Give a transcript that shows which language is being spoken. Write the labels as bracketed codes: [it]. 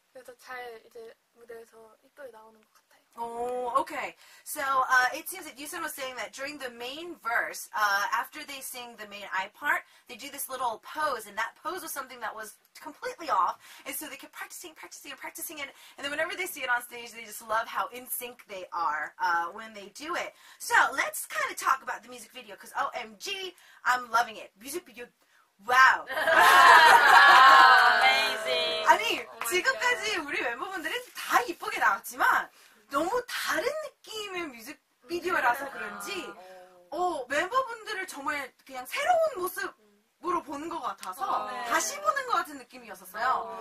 [ko] 그래서 잘 이제 무대에서 이쁘게 나오는 것 같아요. [en] Oh, okay. So it seems that Yusun was saying that during the main verse, after they sing the main I part, they do this little pose, and that pose was something that was completely off, and so they kept practicing it, and then whenever they see it on stage, they just love how in sync they are when they do it. So let's kind of talk about the music video, because OMG, I'm loving it. Music video, wow. Amazing. [ko] 아니, 지금까지 우리 멤버분들은 다 이쁘게 나왔지만, 너무 다른 느낌의 뮤직비디오라서 그런지 멤버분들을 정말 그냥 새로운 모습으로 보는 것 같아서 다시 보는 것 같은 느낌이었었어요.